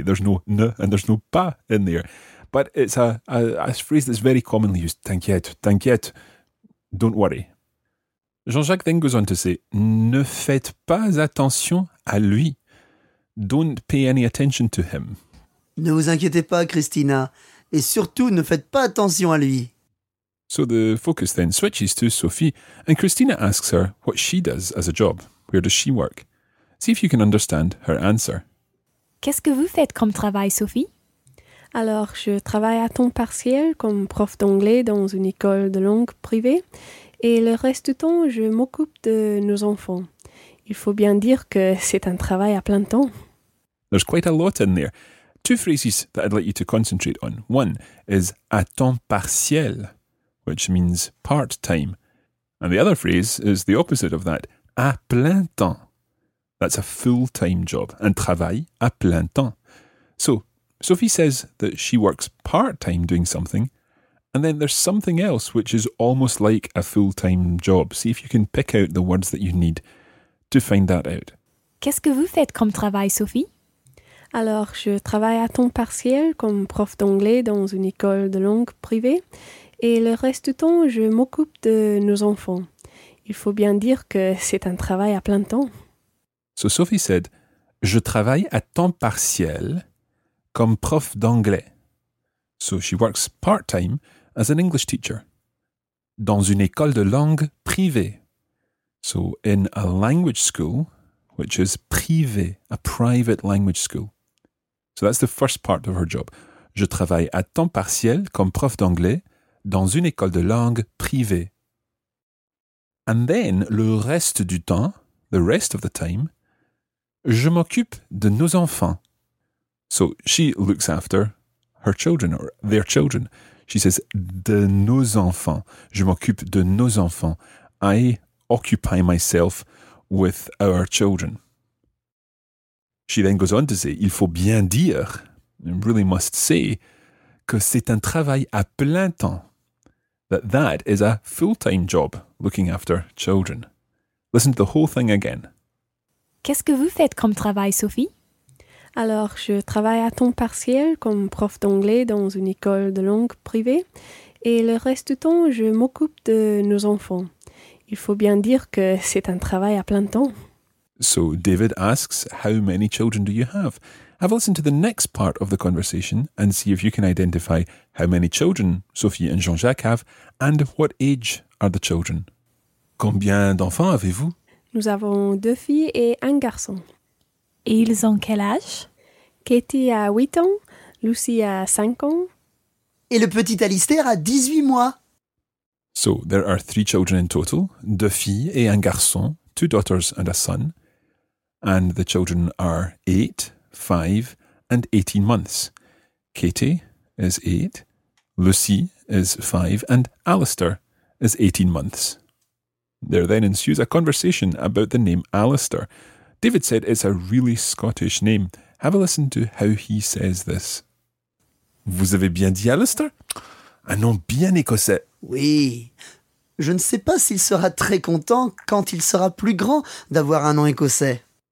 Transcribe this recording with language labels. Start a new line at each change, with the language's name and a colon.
English: There's no ne and there's no pas in there. But it's a phrase that's very commonly used,
French: t'inquiète, t'inquiète,
English: don't worry.
French: Jean-Jacques
English: then goes on to say,
French: ne faites pas attention à lui.
English: Don't pay any attention to him.
French: Ne vous inquiétez pas, Christina. Et surtout, ne faites pas attention à lui.
English: So the focus then switches to Sophie, and Christina asks her what she does as a job. Where does she work? See if you can understand her answer.
French: Qu'est-ce que vous faites comme travail, Sophie? Alors, je travaille à temps partiel comme prof d'anglais dans une école de langue privée, et le reste du temps, je m'occupe de nos enfants. Il faut bien dire que c'est un travail à plein temps.
English: There's quite a lot in there. Two phrases that I'd like you to concentrate on. One is
French: à temps partiel,
English: which means part-time. And the other phrase is the opposite of that,
French: à plein temps.
English: That's a full-time job,
French: un travail à plein temps.
English: So, Sophie says that she works part-time doing something, and then there's something else which is almost like a full-time job. See if you can pick out the words that you need to find that out.
French: Qu'est-ce que vous faites comme travail, Sophie? Alors, je travaille à temps partiel comme prof d'anglais dans une école de langue privée, et le reste du temps, je m'occupe de nos enfants. Il faut bien dire que c'est un travail à plein temps.
English: So Sophie said,
French: je travaille à temps partiel comme prof d'anglais.
English: So she works part-time as an English teacher.
French: Dans une école de langue privée.
English: So in a language school, which is privé, a private language school. So that's the first part of her job.
French: Je travaille à temps partiel comme prof d'anglais dans une école de langue privée.
English: And then,
French: le reste du temps,
English: the rest of the time,
French: je m'occupe de nos enfants.
English: So she looks after her children or their children. She says,
French: de nos enfants. Je m'occupe de nos enfants.
English: I occupy myself with our children. She then goes on to say,
French: il faut bien dire,
English: you really must say,
French: que c'est un travail à plein temps.
English: That is a full-time job, looking after children. Listen to the whole thing again.
French: Qu'est-ce que vous faites comme travail, Sophie? Alors, je travaille à temps partiel comme prof d'anglais dans une école de langue privée, et le reste du temps, je m'occupe de nos enfants. Il faut bien dire que c'est un travail à plein temps.
English: So David asks, how many children do you have? Have a listen to the next part of the conversation and see if you can identify how many children Sophie and Jean-Jacques have and what age are the children.
French: Combien d'enfants avez-vous? Nous avons deux filles et un garçon. Et ils ont quel âge? Katie a 8 ans, Lucy a 5 ans. Et le petit Alistair a 18 mois.
English: So, there are 3 children in total,
French: 2 filles et un garçon,
English: 2 daughters and a son. And the children are 8, 5 and 18 months. Katie is 8, Lucy is 5 and Alistair is 18 months. There then ensues a conversation about the name Alistair. David said it's a really Scottish name. Have a listen to how he says this.
French: Vous avez bien dit Alistair? Un nom bien écossais. Oui. Je ne sais pas s'il sera très content quand il sera plus grand d'avoir un nom écossais.